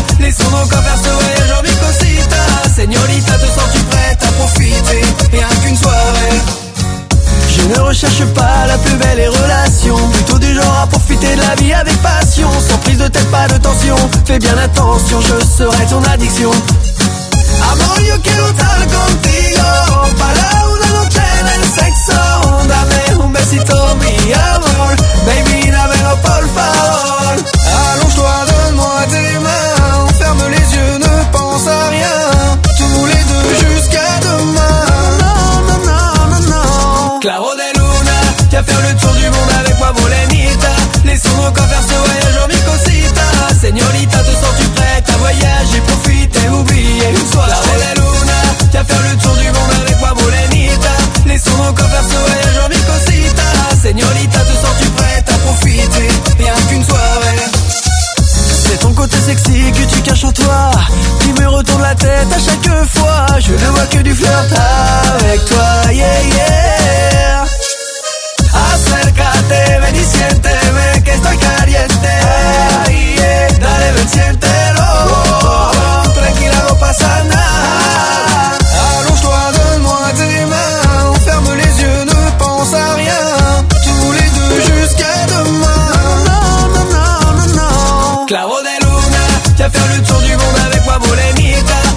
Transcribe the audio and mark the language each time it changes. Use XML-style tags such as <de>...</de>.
<fr>Laissons nos corps faire ce voyage en Micosita. Señorita, te sens-tu prête à profiter, rien qu'une soirée. Je ne recherche pas la plus belle des relations, plutôt du genre à profiter de la vie avec passion. Sans prise de tête, pas de tension, fais bien attention, je serai ton addiction.</fr> <es>Amor, yo quiero estar contigo, para una noche en el sexo. Dame un besito, mi amor, baby, dámelo por favor.</es> <fr>Allonge-toi, donne-moi tes mains, ferme les yeux, ne pense à rien. Tous les deux jusqu'à demain. Non, non, non, non, non.</fr> <es>Claro de Luna,</es> <fr>viens faire le tour du monde avec moi, Bolenita. Laissons nos corps faire ce voyage en Micosita. Señorita, te sens-tu prête à voyager, profiter, oublier une soirée.</fr> <es>Claro de Luna,</es> <fr>viens faire le tour du monde avec moi, Bolenita. Laissons nos corps faire ce voyage en Micosita. Señorita, te sens-tu prête à profiter, rien qu'une soirée. C'est ton côté sexy que tu caches en toi, qui me retourne la tête à chaque fois. Je ne vois que du flirt avec toi, yeah, yeah.</fr> <es>Acércate, ven y siénteme, que estoy caliente. Dale, ven, siéntelo. Tranquila, no pasa nada.</es> <fr>Allonge-toi, donne-moi tes mains. Ferme les yeux, ne pense à rien. Tous les deux jusqu'à demain. Non, non, non, non, non.</fr> <es>Claro de Luna,</es> <fr>viens faire le tour du monde avec moi, Bolenita.</fr>